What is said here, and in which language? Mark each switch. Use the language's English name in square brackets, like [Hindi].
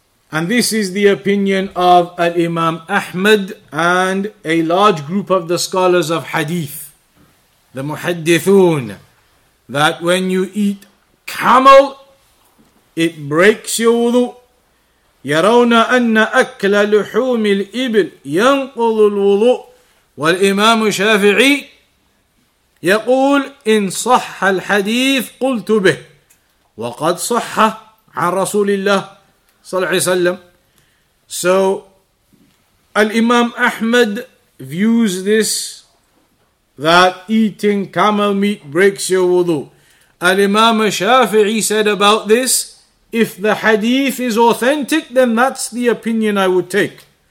[English] And this is the opinion of Al-Imam Ahmad and a large group of the scholars of hadith, the muhaddithun, that when you eat camel, it breaks your wudu. [Arabic] يَرَوْنَ أَنَّ أَكْلَ لُحُومِ الْإِبْلِ يَنْقُضُ الْوُضُوءُ وَالْإِمَامُ الشَّافِعِي يقول إن صح الحديث قلت به وقد صح عن رسول الله صلى الله عليه وسلم. [English] So Al-Imam Ahmad views this, that eating camel meat breaks your wudu. Al-Imam Shafi'i said about this, if the hadith is authentic, then that's the opinion I would take.